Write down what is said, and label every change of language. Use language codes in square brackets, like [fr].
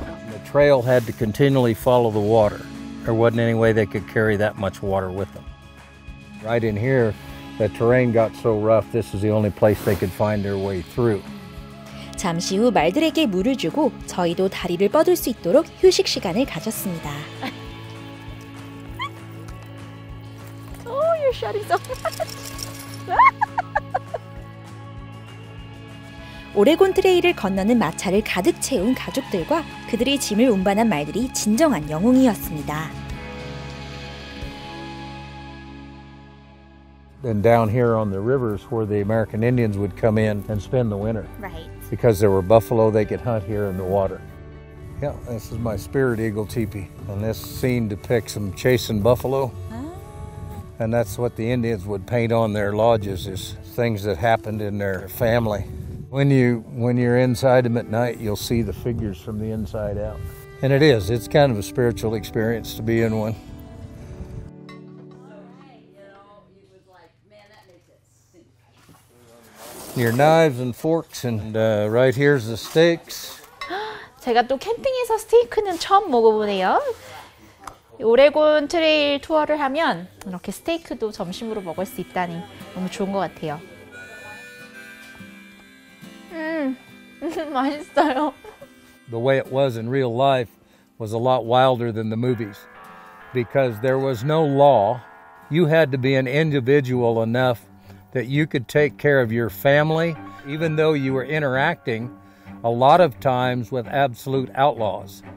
[en] The trail had to continually follow the water. There wasn't any way they could carry that much water with them. Right in here, the terrain got so rough. This is the only place they could find their way through. [ko] 잠시 후 말들에게 물을 주고 저희도 다리를 뻗을 수 있도록 휴식 시간을 가졌습니다. [en] Oh, you're shedding so much. [ko] 오레곤 트레일을 건너는 마차를 가득 채운 가족들과 그들의 짐을 운반한 말들이 진정한 영웅이었습니다. [en] And down here on the rivers where the American Indians would come in and spend the winter. Right. Because there were buffalo they could hunt here in the water. Yeah, this is my spirit eagle teepee. And this scene depicts them chasing buffalo. And that's what the Indians would paint on their lodges, is things that happened in their family. When you're inside them at night, you'll see the figures from the inside out. And it is, it's kind of a spiritual experience to be in one. Your knives and forks, and right here's the steaks. [ko] 제가 또 캠핑에서 스테이크는 처음 먹어보네요. 오레곤 트레일 투어를 하면 이렇게 스테이크도 점심으로 먹을 수 있다니 너무 좋은 것 같아요. 맛있어요. [en] The way it was in real life was a lot wilder than the movies, because there was no law. You had to be an individual enough that you could take care of your family, even though you were interacting a lot of times with absolute outlaws.